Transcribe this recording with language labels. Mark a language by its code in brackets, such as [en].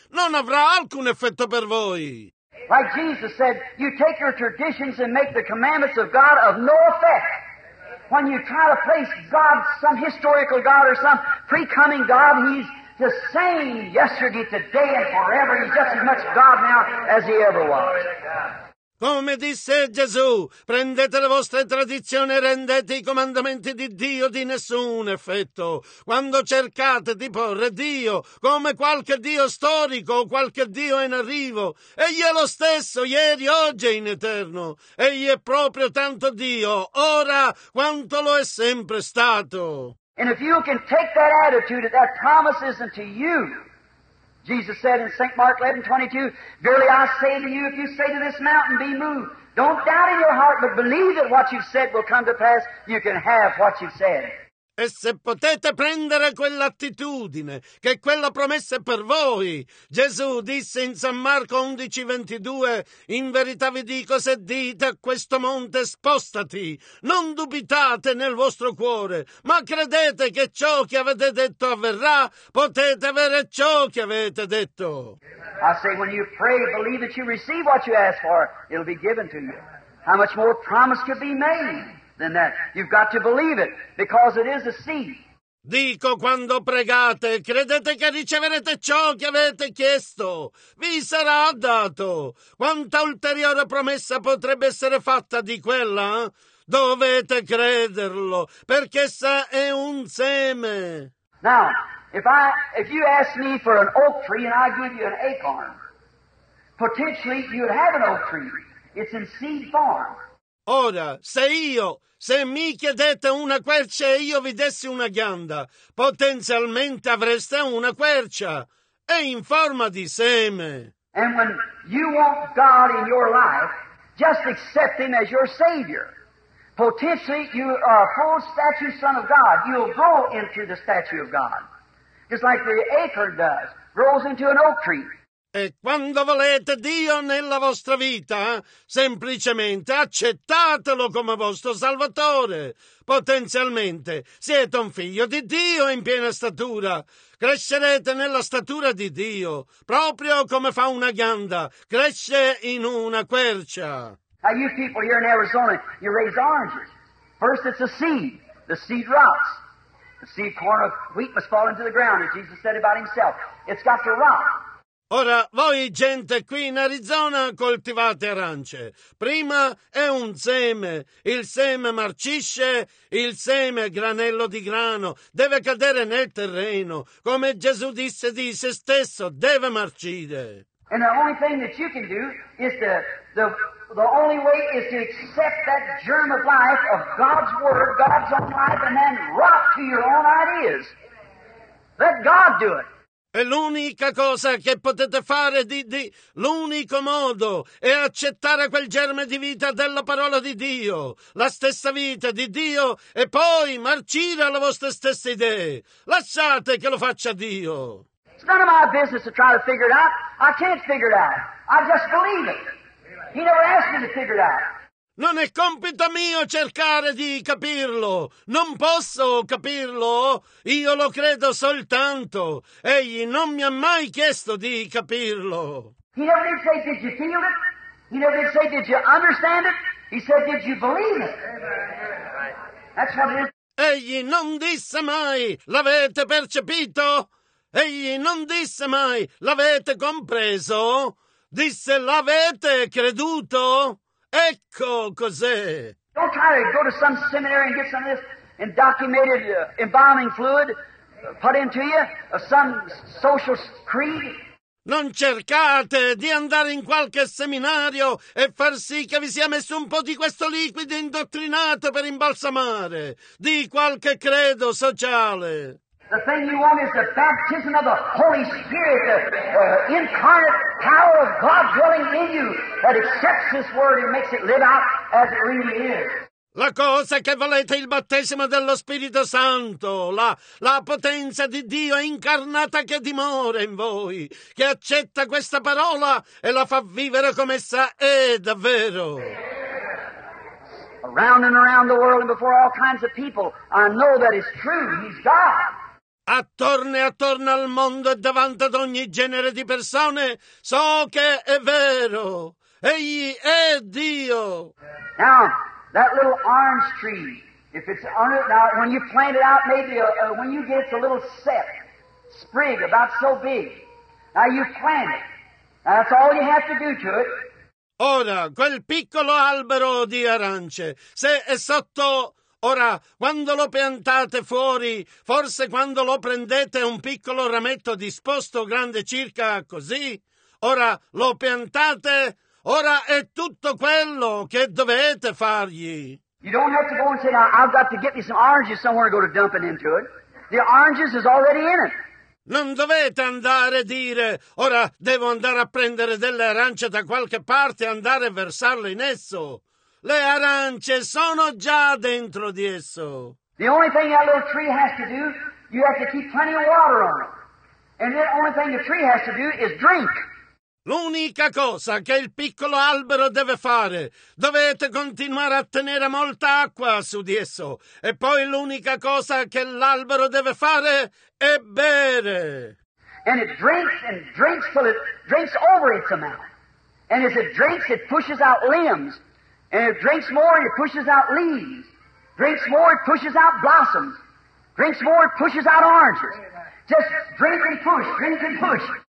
[it] Non avrà alcun effetto per voi. [en] Like Jesus said, you take your traditions and make the commandments of God of no effect. When you try to place God, some historical God or some pre-coming God, He's the same yesterday, today and forever. He's just as much God now as He ever was. [it] Come disse Gesù, prendete le vostre tradizioni e rendete i comandamenti di Dio di nessun effetto. Quando cercate di porre Dio come qualche Dio storico o qualche Dio in arrivo, Egli è lo stesso, ieri, oggi e in eterno. Egli è proprio tanto Dio, ora, quanto lo è sempre stato. [en] And if you can take that attitude, that promise isn't to you. Jesus said in St. Mark 11:22, Verily I say to you, if you say to this mountain, be moved, don't doubt in your heart, but believe that what you've said will come to pass, you can have what you've said. [it] E se potete prendere quell'attitudine, che quella promessa è per voi. Gesù disse in San Marco 11:22, in verità vi dico, se dite a questo monte, spostati, non dubitate nel vostro cuore, ma credete che ciò che avete detto avverrà, potete avere ciò che avete detto. [en] I say, when you pray, believe that you receive what you ask for, it'll be given to you. How much more promise could be made? Than that. You've got to believe it, because it is a seed. [it] Dico, quando pregate, credete che riceverete ciò che avete chiesto. Vi sarà dato. Quanta ulteriore promessa potrebbe essere fatta di quella? dovete crederlo, perché essa è un seme. [en] Now, if you ask me for an oak tree and I give you an acorn, potentially you'd have an oak tree. It's in seed form. [it] Ora, se mi chiedete una quercia e io vi dessi una ghianda, potenzialmente avreste una quercia. È in forma di seme. [en] And when you want God in your life, just accept Him as your Savior. Potentially, you are a full statue son of God. You'll grow into the statue of God. Just like the acorn does, grows into an oak tree. [it] E quando volete Dio nella vostra vita, semplicemente accettatelo come vostro Salvatore. Potenzialmente siete un figlio di Dio in piena statura. Crescerete nella statura di Dio, proprio come fa una ghianda, cresce in una quercia. [en] Now you people here in Arizona, you raise oranges. First it's a seed. The seed rots. The seed corn of wheat must fall into the ground, as Jesus said about himself. It's got to rot. [it] Ora, voi gente qui in Arizona coltivate arance. Prima è un seme, il seme marcisce, il seme, granello di grano, deve cadere nel terreno, come Gesù disse di se stesso, deve marcire. [en] And the only thing that you can do is the only way is to accept that germ of life of God's word, God's own life, and then rot to your own ideas. Let God do it. [it] E l'unica cosa che potete fare di l'unico modo è accettare quel germe di vita della parola di Dio, la stessa vita di Dio, e poi marcire alle vostre stesse idee. Lasciate che lo faccia Dio. [en] It's none of my business to try to figure it out. I can't figure it out. I just believe it. He never asked me to figure it out. [it] Non è compito mio cercare di capirlo. Non posso capirlo. Io lo credo soltanto. Egli non mi ha mai chiesto di capirlo. [en] He never did say, did you feel it? He never did say, did you understand it? He said, did you believe it? That's what it is. [it] Egli non disse mai, l'avete percepito? Egli non disse mai, l'avete compreso? Disse, l'avete creduto? Ecco cos'è. [en] Don't try to go to some seminary and get some of this indoctrinated embalming fluid put into you, of some social creed. [it] Non cercate di andare in qualche seminario e far sì che vi sia messo un po' di questo liquido indottrinato per imbalsamare, di qualche credo sociale. [en] The thing you want is the baptism of the Holy Spirit, the incarnate power of God dwelling in you that accepts this word and makes it live out as it really is. [it] La cosa che volete è il battesimo dello Spirito Santo, la potenza di Dio incarnata che dimora in voi, che accetta questa parola e la fa vivere come essa è davvero. [en] Around and around the world and before all kinds of people, I know that it's true, He's God. [it] Attorno e attorno al mondo e davanti ad ogni genere di persone, so che è vero. Egli è Dio. [en] Now, that little orange tree, if it's under, now when you plant it out, maybe when you get a little set, sprig about so big, now you plant it. Now, that's all you have to do to it. [it] Ora, quel piccolo albero di arance, se è sotto... Ora, quando lo piantate fuori, forse quando lo prendete un piccolo rametto disposto, grande circa così, ora lo piantate, ora è tutto quello che dovete fargli. [en] You don't have to go and say, now I've got to get me some oranges somewhere and go to dump it into it. The oranges is already in it. [it] Non dovete andare a dire, ora devo andare a prendere delle arance da qualche parte e andare a versarle in esso. Le arance sono già dentro di esso. [en] The only thing that little tree has to do, you have to keep plenty of water on it. And the only thing the tree has to do is drink. [it] L'unica cosa che il piccolo albero deve fare, dovete continuare a tenere molta acqua su di esso. E poi l'unica cosa che l'albero deve fare è bere. [en] And it drinks and drinks till it drinks over its amount. And as it drinks, it pushes out limbs. And it drinks more, it pushes out leaves. Drinks more, it pushes out blossoms. Drinks more, it pushes out oranges. Just drink and push, drink and push.